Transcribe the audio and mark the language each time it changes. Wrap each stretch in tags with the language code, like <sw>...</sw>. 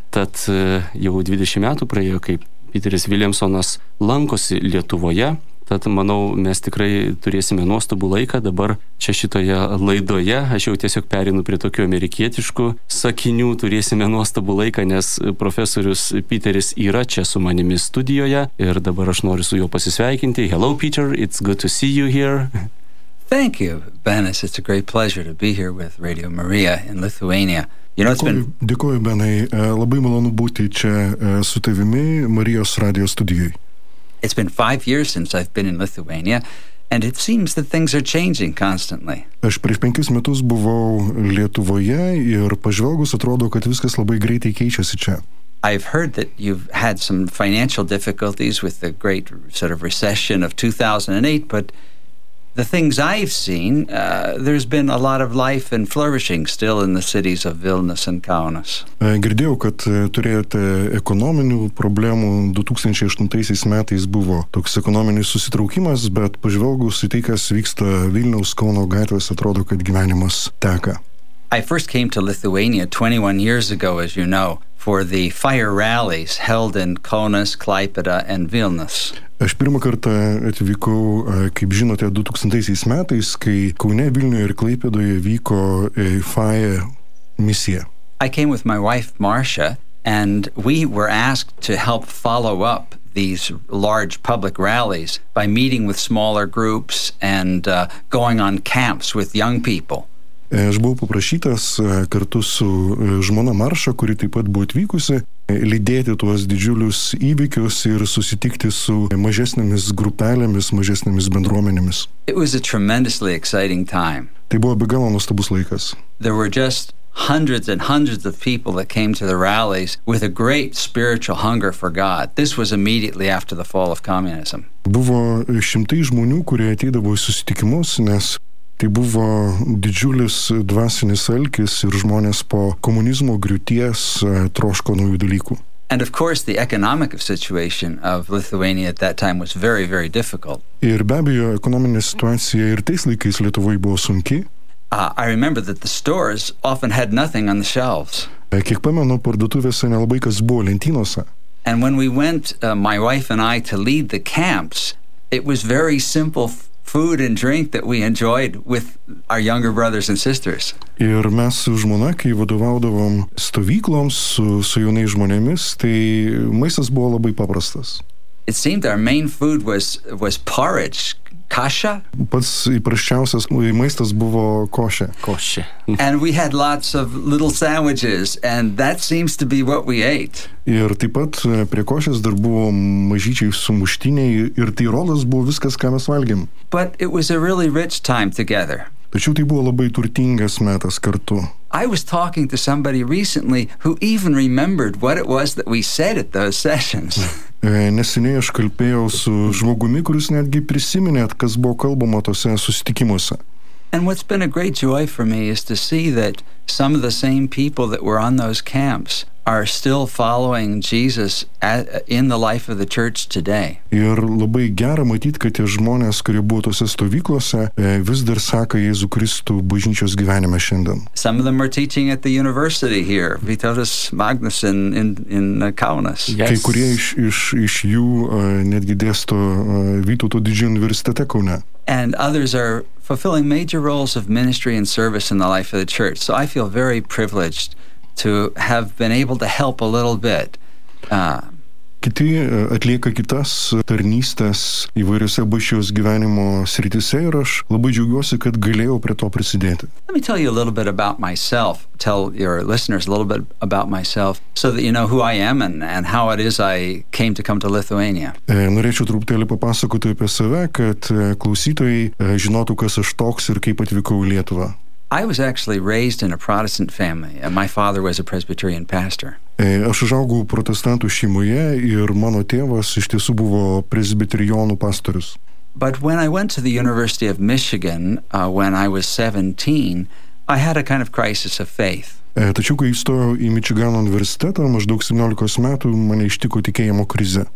<lt>Tad jau 20 metų praėjo, kaip Peteris Williamsonas lankosi Lietuvoje. Tad manau, mes tikrai turėsime nuostabų laiką dabar čia šitoje laidoje. Aš jau tiesiog perinu prie tokių amerikietiškų sakinių, turėsime nuostabų laiką, nes profesorius Peteris yra čia su manimi studijoje ir dabar aš noriu su juo pasisveikinti.</lt> <en>Hello Peter, it's good to see you here. Thank you, Benas. It's a great pleasure to be here with Radio Maria in Lithuania. You know,</en> <lt>dėkuoju, Benai. Labai malonu būti čia su tavimi Marijos radijo studijoje.</lt> <en>It's been 5 years since I've been in Lithuania, and it seems that things are changing constantly.</en> <lt>Aš prieš 5 metus buvau Lietuvoje ir pažvelgus atrodo, kad viskas labai greitai keičiasi čia.</lt> <en>I've heard that you've had some financial difficulties with the great sort of recession of 2008, but the things I've seen, there's been a lot of life and flourishing still in the cities of Vilnius and Kaunas.</en> <lt>Girdėjau, kad turėjote ekonominių problemų. 2008 metais buvo toks ekonominis susitraukimas, bet pažvelgus į tai, kas vyksta Vilniaus Kauno gatvės, atrodo, kad gyvenimas teka.</lt> <en>I first came to Lithuania 21 years ago, as you know, for the fire rallies held in Kaunas, Klaipėda and Vilnius.</en> <lt>Aš pirmą kartą atvykau, kaip žinote, 2000 metais, kai Kaune, Vilniuje ir Klaipėdoje vyko FIRE misija.</lt> <en>I came with my wife Marcia and we were asked to help follow up these large public rallies by meeting with smaller groups and going on camps with young people.</en> <lt>Aš buvau paprašytas kartu su žmona Marcia, kuri taip pat buvo atvykusi, lydėti tuos didžiulius įvykius ir susitikti su mažesnėmis grupelėmis, mažesnėmis bendruomenėmis.</lt> <en>It was a tremendously exciting time.</en> <lt>Tai buvo be galo nuostabus laikas.</lt> <en>There were just hundreds and hundreds of people that came to the rallies with a great spiritual hunger for God. This was immediately after the fall of communism.</en> <lt>Buvo šimtai žmonių, kurie ateidavo į susitikimus, nes tai buvo didžiulis dvasinis alkis ir žmonės po komunizmo griūties troško naujų dalykų.</lt> <en>And of course the economic situation of Lithuania at that time was very, very difficult.</en> <lt>Ir be abejo, ekonominė situacija ir tais laikais Lietuvoje buvo sunki.</lt> <en>I remember that the stores often had nothing on the shelves.</en> <lt>Kiek pamenu, parduotuvėse nelabai kas buvo lentynose.</lt> <en>And when we went, my wife and I, to lead the camps, it was very simple food and drink that we enjoyed with our younger brothers and sisters.</en> <lt>Ir mes su žmona, kai vadovaudavom stovykloms su jaunais žmonėmis, tai maistas buvo labai paprastas.</lt> <en>It seemed our main food was porridge, kasha.</en> <lt>Pats įprasčiausias maistas buvo košė. Košė.</lt> <en>And we had lots of little sandwiches, and that seems to be what we ate.</en> <lt>Ir taip pat prie košės dar buvo mažyčiai sumuštiniai, ir tai rodos buvo viskas, ką mes valgėm.</lt> <en>But it was a really rich time together.</en> <lt>Tačiau tai buvo labai turtingas metas kartu.</lt> <en>I was talking to somebody recently who even remembered what it was that we said at those sessions.</en> <lt>Neseniai aš kalbėjau su žmogumi, kuris netgi prisiminė, kas buvo kalbama tose susitikimuose.</lt> <en>And what's been a great joy for me is to see that some of the same people that were on those camps are still following Jesus in the life of the church today.</en> <lt>Ir labai gera matyti, kad tie žmonės, kurie buvo tose stovyklose, vis dar seka Jėzų Kristų bažnyčios gyvenime šiandien.</lt> <en>Some of them are teaching at the university here, Vytautas Magnus in Kaunas. Yes.</en> <lt>Kai kurie iš jų netgi dėsto Vytauto didžiojo universitete Kaune.</lt> <en>And others are fulfilling major roles of ministry and service in the life of the church. So I feel very privileged to have been able to help a little bit.</en> <lt>Kiti atlieka kitas tarnystes įvairiose bažnyčios gyvenimo srityse ir aš labai džiaugiuosi, kad galėjau prie to prisidėti.</lt> <en>Let me tell you a little bit about myself. Tell your listeners a little bit about myself so that you know who I am and how it is I came to come to Lithuania.</en> <lt>Norėčiau truputėlį papasakoti apie save, kad klausytojai žinotų, kas aš toks ir kaip atvykau į Lietuvą.</lt> <en>I was actually raised in a Protestant family, and my father was a Presbyterian pastor.</en> <lt>Aš užaugau protestantų šeimoje, ir mano tėvas iš tiesų buvo presbiterijonų pastorius.</lt> <en>But when I went to the University of Michigan, when I was 17, I had a kind of crisis of faith.</en> <lt>Tačiau, kai įstojau į Michigano universitetą, maždaug 17 metų, mane ištiko tikėjimo krizė.</lt>